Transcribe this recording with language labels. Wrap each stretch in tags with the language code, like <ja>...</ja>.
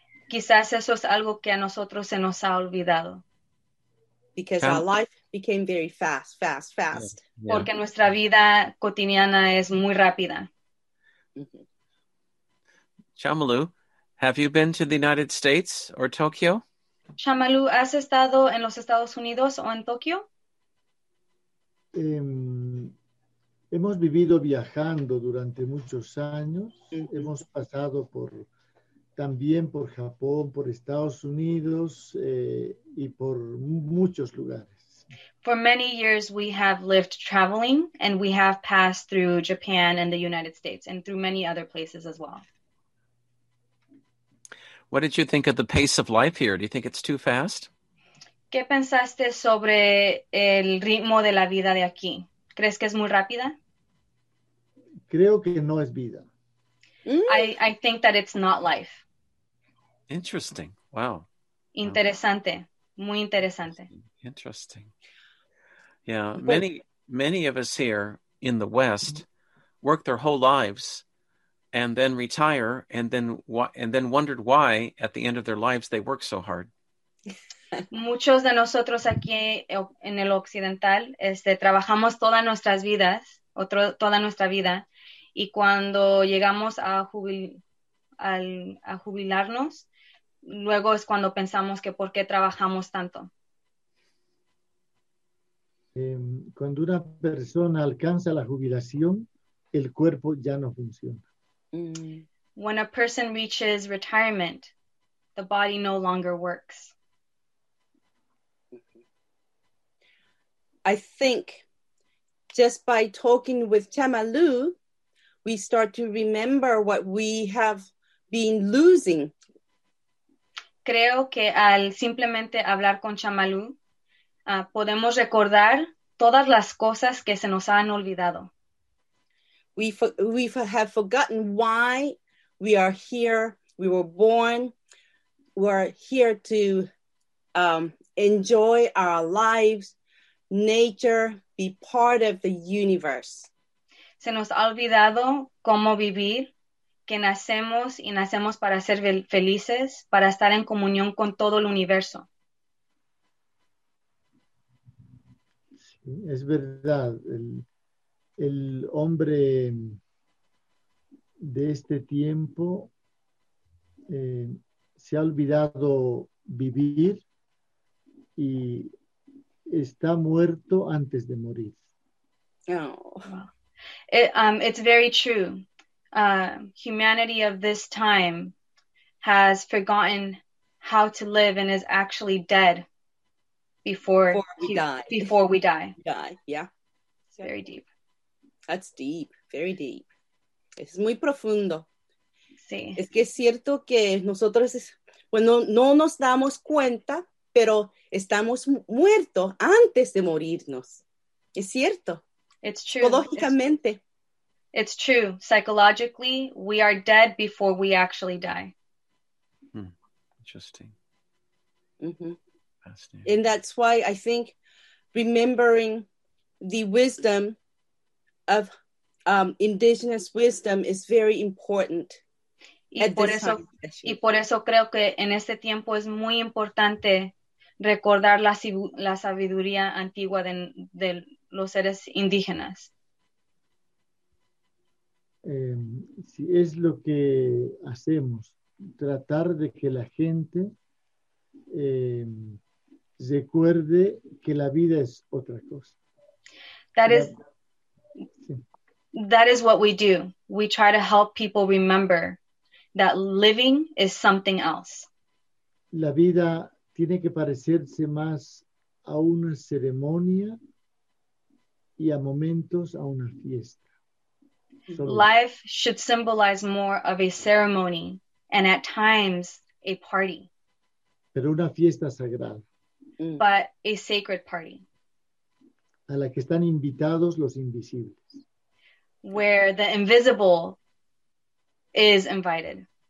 <es>Quizás eso es algo que a nosotros se nos ha olvidado.</es> <en>Because our life became very fast, fast, fast. Yeah.</en> <es>Yeah. Porque nuestra vida cotidiana es muy rápida. Mm-hmm.</es> <en>Chamalu, have you been to the United States or Tokyo?</en> <es>Chamalu, ¿has estado en los Estados Unidos o en Tokio? Hemos vivido viajando durante muchos años. Hemos pasado por también por Japón, por Estados Unidos y por muchos lugares.</es> <en>For many years we have lived traveling and we have passed through Japan and the United States and through many other places as well. What did you think of the pace of life here? Do you think it's too fast?</en> <es>¿Qué pensaste sobre el ritmo de la vida de aquí? ¿Crees que es muy rápida? Creo que no es vida.</es> <en>I think that it's not life. Interesting. Wow.</en> <es>Interesante. Muy interesante.</es> <en>Interesting. Yeah, many of us here in the West work their whole lives and then retire, and then wondered why at the end of their lives they work so hard.</en> <es>Muchos de nosotros aquí en el occidental, trabajamos todas nuestras vidas, toda nuestra vida, y cuando llegamos a jubilarnos, luego es cuando pensamos que por qué trabajamos tanto. Cuando una persona alcanza la jubilación, el cuerpo ya no funciona.</es> <en>When a person reaches retirement, the body no longer works. I think just by talking with Chamalu, we start to remember what we have been losing.</en> <es>Creo que al simplemente hablar con Chamalu, podemos recordar todas las cosas que se nos han olvidado.</es> <en>We have forgotten why we are here. We were born. We're here to enjoy our lives, nature, be part of the universe.</en> <es>Se nos ha olvidado cómo vivir, que nacemos y nacemos para ser felices, para estar en comunión con todo el universo. Sí, es verdad. El hombre de este tiempo se ha olvidado vivir y está muerto antes de morir.</es> <en>It's very true. Humanity of this time has forgotten how to live and is actually dead before we die. Yeah. It's very deep. That's deep, very deep.</en> <es>Es muy profundo. Sí. Es que es cierto que nosotros, no nos damos cuenta, pero estamos muertos antes de morirnos. Es cierto.</es> <en>It's true.</en> <es>Psicológicamente.</es> <en>It's true. Psychologically, we are dead before we actually die. Interesting. Mm-hmm. Fascinating. And that's why I think remembering the wisdom of indigenous wisdom is very important.</en> <es>Y por eso creo que en este tiempo es muy importante recordar la sabiduría antigua de los seres indígenas. Sí, es lo que hacemos, tratar de que la gente recuerde que la vida es otra cosa.</es> <en>That is... That is what we do. We try to help people remember that living is something else.</en> <es>La vida tiene que parecerse más a una ceremonia y a momentos a una fiesta. Solo.</es> <en>Life should symbolize more of a ceremony and at times a party.</en> <es>Pero una fiesta sagrada.</es> <en>But a sacred party.</en> <es>A la que están invitados los invisibles.</es> <en>Where the invisible is invited.</en>